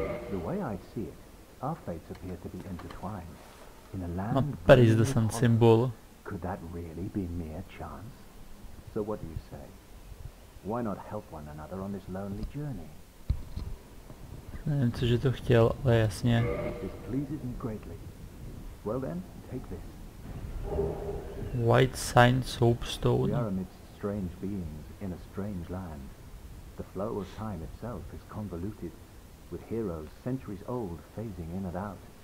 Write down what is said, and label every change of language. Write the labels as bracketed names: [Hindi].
[English] The way I see it, our fates appear to be intertwined. In a land not Paris de Saint Symbole. Could that really be mere chance? So what do you say? Why not help one another on this lonely journey? [Czech] Nevím, co že to chtěl, ale jasně. [English] This pleases me greatly. Well then, take this. White sign soapstone. We are amidst strange beings in a strange land. The flow of time itself is convoluted, with heroes centuries old phasing in and out.